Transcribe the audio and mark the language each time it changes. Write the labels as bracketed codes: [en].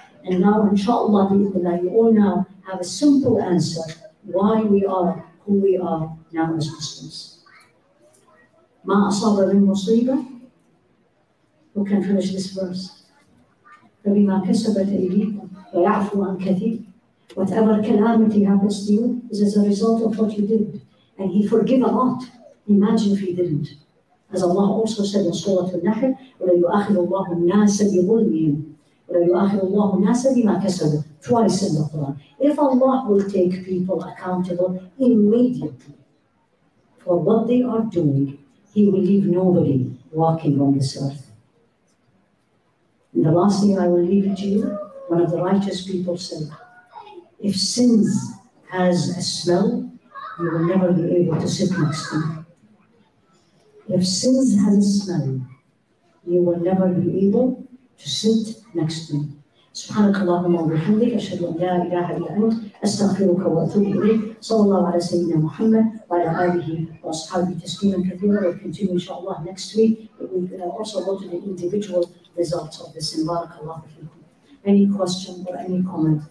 [en] And now, inshallah, you all now have a simple answer why we are who we are now as Muslims. [ar] Ma asaba min musiba. [en] Who can finish this verse? [ar] Rabbi ma kasabat aydikum wa ya'fu an kathir. [en] Whatever calamity happens to you is as a result of what you did. And he forgave a lot. Imagine if he didn't. As Allah also said in Surah Al-Nahl, [ar] وَلَا يُؤَخِذُ اللَّهُ النَّاسَ بِظُلْمِهِمْ وَلَا يُؤَخِذُ اللَّهُ النَّاسَ بِمَا كَسَبُ. [en] Twice in the Quran. If Allah will take people accountable immediately for what they are doing, he will leave nobody walking on this earth. And the last thing I will leave it to you, one of the righteous people said, if sins has a smell, you will never be able to sit next to me. If sins has a smell, you will never be able to sit next to me. [ar] سبحانك اللهم وبحمدك أشهد أن لا إله إلا أنت أستغفرك وأتوب إليك صلى الله على سيدنا محمد وعلى آله وأصحابه تسليما كثيرا [en] We'll continue [ar] إن شاء الله [en] next week We'll also go to the individual results of this and [ar] بارك الله فيكم [en] Any question or any comment